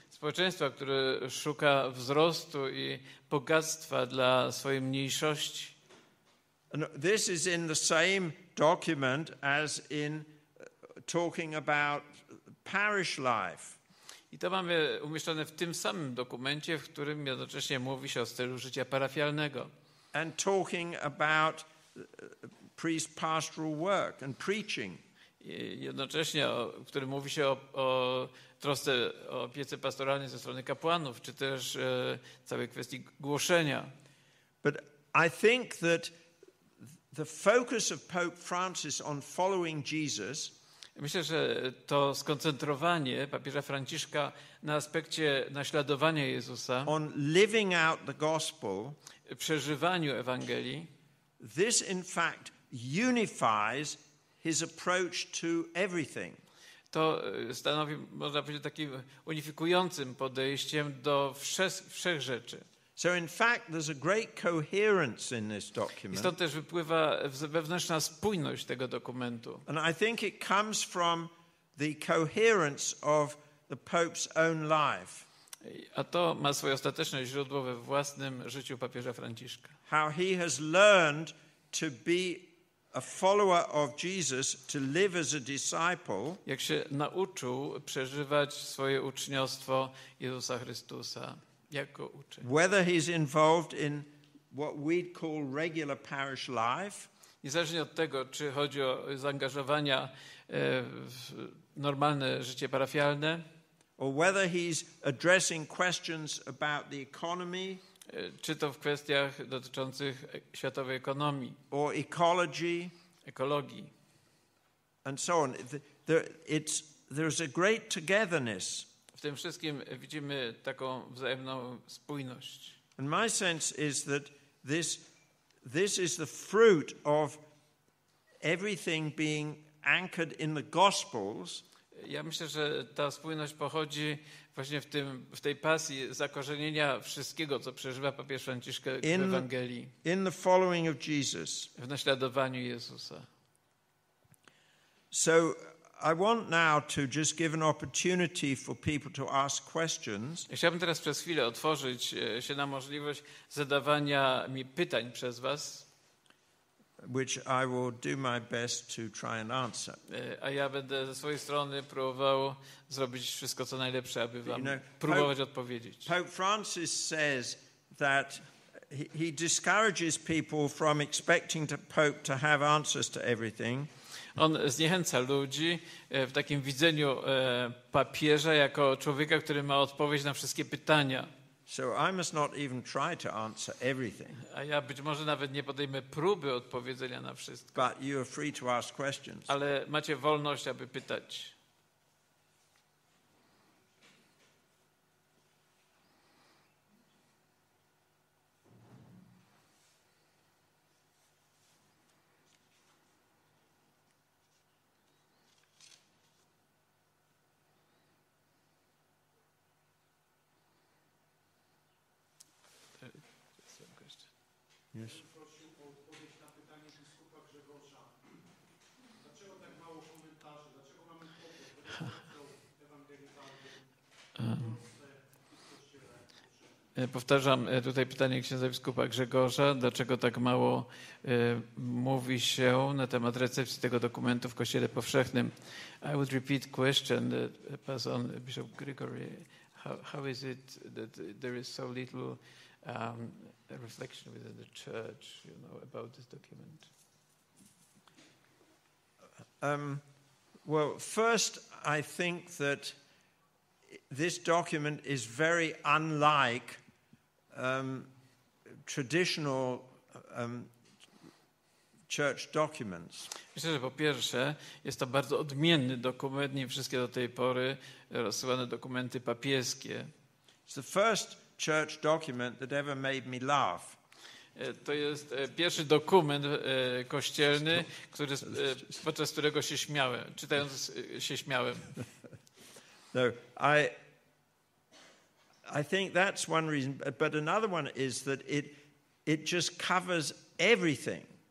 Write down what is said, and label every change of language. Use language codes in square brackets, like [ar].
[pl] Społeczeństwo, które szuka wzrostu i bogactwa dla swojej mniejszości. [en] And this is in the same document as in talking about parish life. [pl] I to mamy umieszczone w tym samym dokumencie, w którym jednocześnie mówi się o stylu życia parafialnego. [en] And talking about priest pastoral work and preaching. [pl] Jednocześnie, w którym mówi się o trosce, o opiece pastoralnej ze strony kapłanów, czy też całej kwestii głoszenia. [en] But I think that the focus of Pope Francis on following Jesus. [pl] Myślę, że to skoncentrowanie papieża Franciszka na aspekcie naśladowania Jezusa, [en] on living out the gospel, [pl] przeżywaniu Ewangelii, [en] this in fact unifies his approach to everything. [pl] To stanowi, można powiedzieć, takim unifikującym podejściem do wszech rzeczy. [en] So in fact there's a great coherence in this document. [pl] I stąd też wypływa wewnętrzna spójność tego dokumentu. [en] And I think it comes from the coherence of the Pope's own life. [pl] A to ma swoje ostateczne źródło we własnym życiu papieża Franciszka. [en] How he has learned to be a follower of Jesus, to live as a disciple. [pl] Jak się nauczył przeżywać swoje uczniostwo Jezusa Chrystusa. Jako uczeń. [en] Whether he's involved in what we'd call regular parish life, [pl] niezależnie od tego, czy chodzi o zaangażowania w normalne życie parafialne, [en] or whether he's addressing questions about the economy, [pl] czy to w kwestiach dotyczących światowej ekonomii, [en] or ecology, [pl] ekologii, [en] and so on. There's a great togetherness. [pl] W tym wszystkim widzimy taką wzajemną spójność. [en] And my sense is that this is the fruit of everything being anchored in the Gospels. [pl] Ja myślę, że ta spójność pochodzi właśnie w tej pasji zakorzenienia wszystkiego, co przeżywa papież Franciszek w Ewangelii. [en] In the following of Jesus. [pl] W naśladowaniu Jezusa. [en] So I want now to just give an opportunity for people to ask questions. [pl] Chciałbym teraz przez chwilę otworzyć się na możliwość zadawania mi pytań przez was, [en] which I will do my best to try and answer. [pl] A ja będę ze swojej strony próbował zrobić wszystko co najlepsze, aby wam próbować odpowiedzieć. [en] Pope Francis says that he discourages people from expecting the Pope to have answers to everything. [pl] On zniechęca ludzi w takim widzeniu papieża jako człowieka, który ma odpowiedź na wszystkie pytania. [en] So I must not even try to answer everything. [pl] A ja być może nawet nie podejmę próby odpowiedzenia na wszystko. [en] But you are free to ask questions. [pl] Ale macie wolność, aby pytać. [en] Yes. [pl] Prosił o odpowiedź na pytanie biskupa Grzegorza. Dlaczego tak mało komentarzy? Dlaczego mamy kłopot do ewangelizacji? Powtarzam tutaj pytanie księdza biskupa Grzegorza. Dlaczego tak mało mówi się na temat recepcji tego dokumentu w Kościele Powszechnym? [en] I would repeat question that passed on Bishop Gregory. How is it that there is so little a reflection within the church, you know, about this document? Well, first, I think that this document is very unlike traditional church documents. [pl] Myślę, że po pierwsze, jest to bardzo odmienny dokument niż wszystkie do tej pory rozsyłane dokumenty papieskie. [en] It's the first church document that ever made me laugh. [pl] To jest pierwszy dokument kościelny, który, podczas którego się śmiałem, czytając się śmiałem. [en] No, I think that's one reason, but another one is that it just covers everything.